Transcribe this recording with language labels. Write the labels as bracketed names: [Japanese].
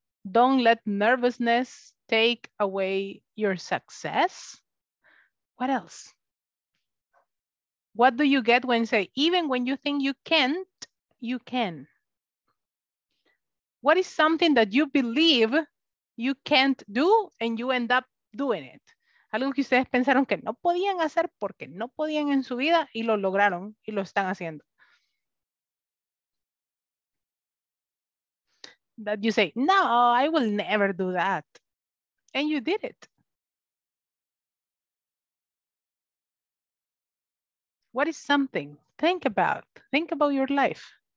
[English] Don't let nervousness take away your success. What else? What do you get when say, even when you think you can't, you can. What is something that you believe you can't do and you end up doing it? [Spanish] Algo que ustedes pensaron que no podían hacer porque no podían en su vida y lo lograron y lo están haciendo. [English] That you say, no, I will never do that. And you did it. What is something? Think about your life.